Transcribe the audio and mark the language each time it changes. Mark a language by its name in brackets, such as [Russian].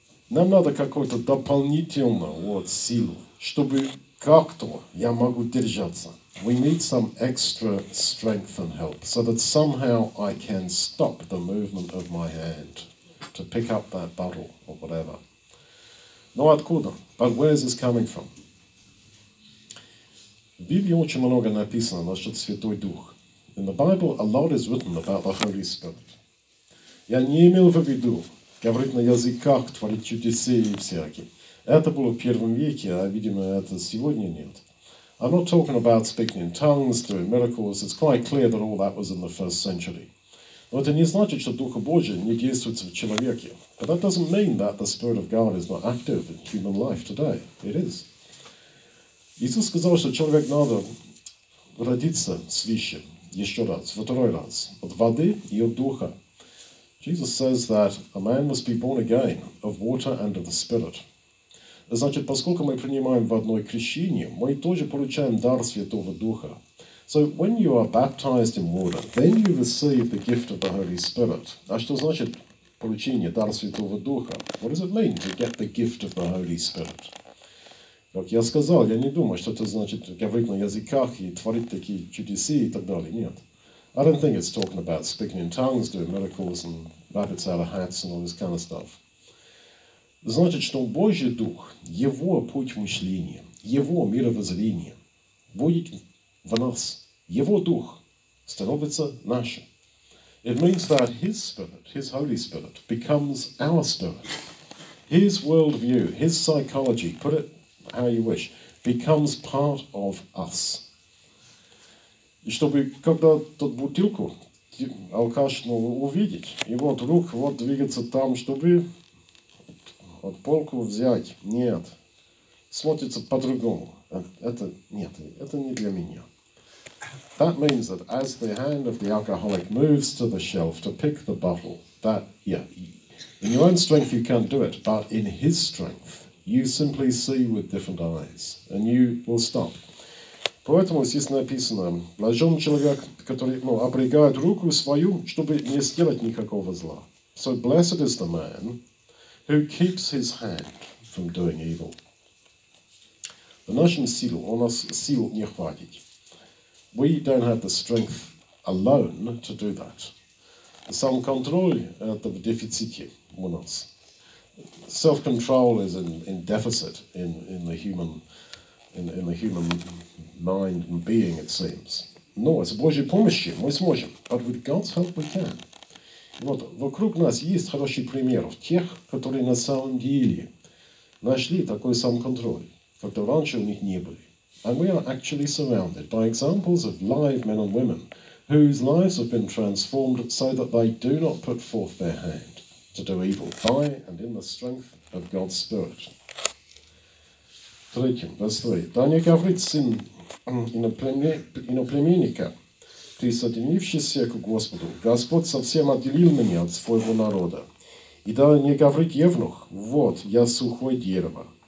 [Russian] Нам надо какую-то дополнительную вот силу, чтобы как-то я могу держаться. [English] We need some extra strength and help so that somehow I can stop the movement of my hand to pick up that bottle or whatever. [Russian] Но откуда? [English] But where is this coming from? [Russian] В Библии очень много написано насчет Святой Дух. [English] In the Bible, a lot is written about the Holy Spirit. [Russian] Я не имел в виду говорить на языках, творить чудеса и всякие. Это было в первом веке, а, видимо, это сегодня нет. [English] I'm not talking about speaking in tongues, doing miracles. It's quite clear that all that was in the first century. [Russian] Но это не значит, что Духа Божия не действует в человеке. [English] But that doesn't mean that the Spirit of God is not active in human life today. It is. [Russian] Иисус сказал, что человек надо родиться свыше еще раз, во второй раз, от воды и от Духа. [English] Jesus says that a man must be born again of water and of the Spirit. [Russian] Значит, поскольку мы принимаем в одной крещении, мы тоже получаем дар Святого Духа. [English] So when you are baptized in water, then you receive the gift of the Holy Spirit. [Russian] А что значит получение дар Святого Духа? [English] What does it mean to get the gift of the Holy Spirit? [Russian] Как я сказал, я не думаю, что это значит говорить на языках и творить такие чудеса и так далее. Нет. [English] I don't think it's talking about speaking in tongues, doing miracles and rabbits out of hats and all this kind of stuff. [Russian] Значит, что Божий Дух, Его путь мышления, Его мировоззрение будет в нас. Его Дух становится нашим. [English] It means that His Spirit, His Holy Spirit, becomes our Spirit. His worldview, His psychology, put it how you wish, becomes part of us. [Russian] И чтобы когда тот бутылку алкашного увидеть, и вот рук вот двигаться там, чтобы вот полку взять, нет, смотрится по-другому. Это нет, это не для меня. [English] That means that as the hand of the alcoholic moves to the shelf to pick the bottle, that, yeah, in your own strength you can't do it, but in his strength you simply see with different eyes and you will stop. [Russian] Поэтому здесь написано, блажен человек, который, ну, обрегает руку свою, чтобы не сделать никакого зла. [English] So blessed is the man who keeps his hand from doing evil. [Russian] В нашем силе у нас сил не хватит. [English] We don't have the strength alone to do that. [Russian] Самоконтроль – это в дефиците у нас. [English] Self-control is in deficit in the human mind and being, it seems. [Russian] Но с Божьей помощью мы сможем. [English] But with God's help, we can. [Russian] Вот, вокруг нас есть хороший пример тех, которые на самом деле нашли такой самоконтроль, который раньше у них не были. [English] And we are actually surrounded by examples of live men and women whose lives have been transformed so that they do not put forth their hand to do evil by and in the strength of God's Spirit. [Russian] Третьим, [English] verse 3. [Russian] Даня говорит, сын иноплеменника, присоединившийся к Господу, Господь совсем отделил меня от своего народа. И да не говорит евнух, вот, я сухое дерево.